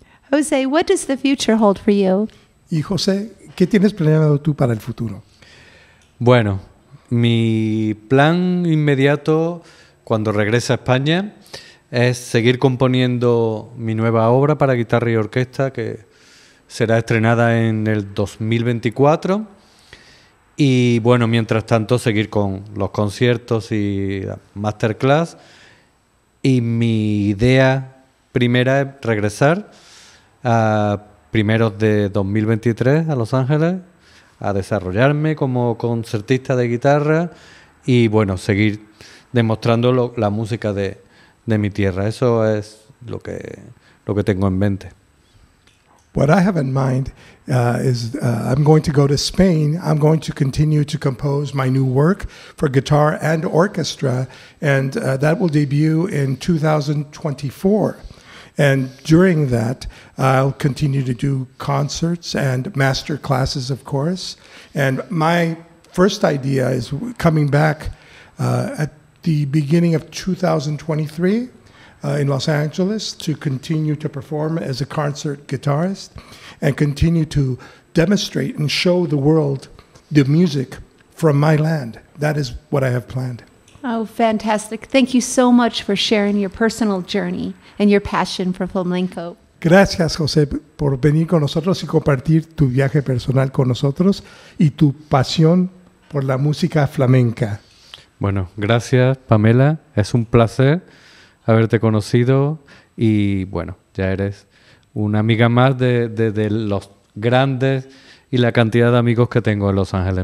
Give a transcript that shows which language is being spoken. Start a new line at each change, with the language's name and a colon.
English: José, what does the future hold for you?
Spanish: Y José, ¿qué tienes planeado tú para el futuro? Bueno, mi plan inmediato cuando regrese a España es seguir componiendo mi nueva obra para guitarra y orquesta, que será estrenada en el 2024. Y bueno, mientras tanto, seguir con los conciertos y masterclass. Y mi idea primera es regresar a primeros de 2023 a Los Ángeles, a desarrollarme como concertista de guitarra y, bueno, seguir demostrando la música de mi tierra. Eso es lo que tengo en mente.
English: What I have in mind is I'm going to go to Spain. I'm going to continue to compose my new work for guitar and orchestra, and that will debut in 2024. And during that, I'll continue to do concerts and master classes, of course. And my first idea is coming back at the beginning of 2023 in Los Angeles to continue to perform as a concert guitarist and continue to demonstrate and show the world the music from my land. That is what I have planned. Oh, fantastic. Thank you so much for sharing your personal journey and your passion for flamenco.
Spanish: Gracias, José, por venir con nosotros y compartir tu viaje personal con nosotros y tu pasión por la música flamenca. Bueno, gracias, Pamela. Es un placer haberte conocido y, bueno, ya eres una amiga más de los grandes y la cantidad de amigos que tengo en Los Ángeles.